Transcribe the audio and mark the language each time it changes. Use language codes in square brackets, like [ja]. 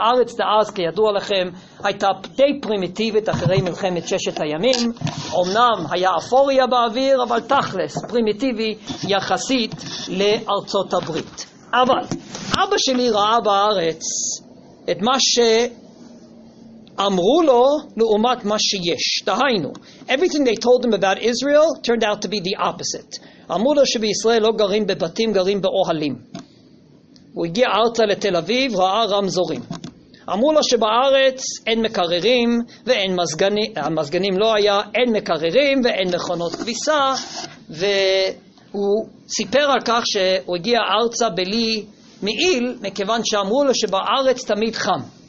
[he] הארץ דאז, כידוע לכם, הייתה די פרימיטיבית אחרי מלחמת ששת הימים. אמנם היה אפוריה באוויר, אבל תכלס, פרימיטיבי יחסית לארצות הברית. אבל אבא שלי ראה בארץ את מה ש... אמרו לו לעומת מה שיש. [en] דהיינו, everything they told him about Israel turned out to be the opposite. [he] אמרו לו שבישראל לא גרים בבתים, גרים באוהלים. הוא הגיע ארצה לתל אביב, ראה רמזורים. אמרו לו שבארץ אין מקררים ואין מזגנים, המזגנים לא היה, אין מקררים ואין מכונות כביסה, והוא סיפר על כך שהוא הגיע ארצה בלי מעיל, מכיוון שאמרו לו שבארץ תמיד חם.